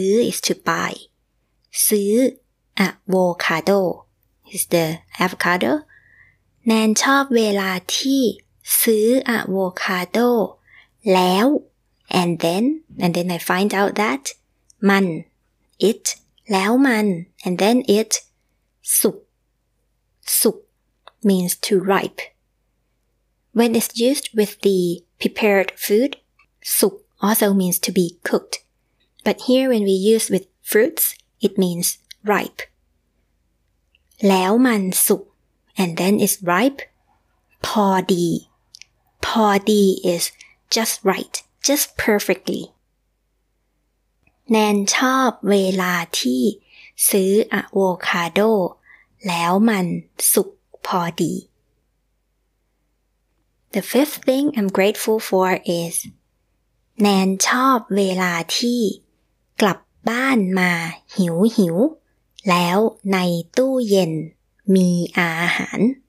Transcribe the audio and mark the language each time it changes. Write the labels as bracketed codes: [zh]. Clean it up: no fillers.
[en] is to buy [th] ซื้ออะโวคาโด [en] is the avocado [th] แนนชอบเวลาที่ซื้ออะโวคาโดแล้ว [en] and then I find out that มัน it [th] แล้วมัน [en] and then it สุก means to ripe when it's used with theprepared food, suk also means to be cooked. But here when we use with fruits, it means ripe. [th] แล้วมันสุก [en] and then it's ripe. พอดี is just right, just perfectly. [th] แนนชอบเวลาที่ซื้ออะโวคาโดแล้วมันสุกพอดี [en] The fifth thing I'm grateful for is [th] แนนชอบเวลาที่กลับบ้านมาหิวแล้วในตู้เย็นมีอาหาร